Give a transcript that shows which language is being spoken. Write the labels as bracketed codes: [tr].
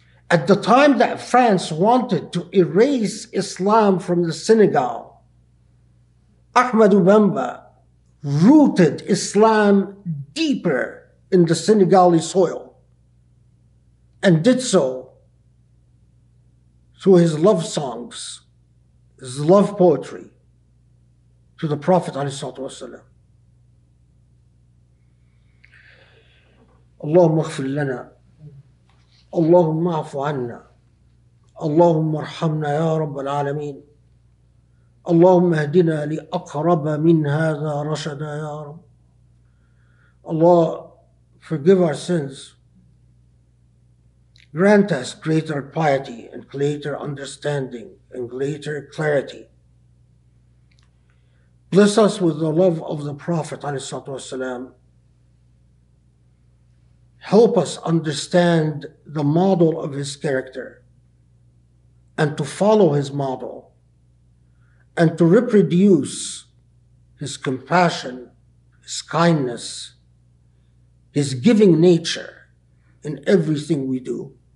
[en] At the time that France wanted to erase Islam from the synagogue, Ahmed Ubemba rooted Islam deeper in the Senegalese soil and did so through his love songs, his love poetry to the Prophet ﷺ. [ar] اللهم اغفر لنا اللهم اعف عنا اللهم ارحمنا يا رب العالمين اللهم اهدنا لأقرب من هذا رشدا يا رب الله [en] forgive our sins grant us greater piety and greater understanding and greater clarity bless us with the love of the Prophet [ar] عليه الصلاة والسلام. [en] Help us understand the model of his character and to follow his model and to reproduce his compassion, his kindness, his giving nature in everything we do.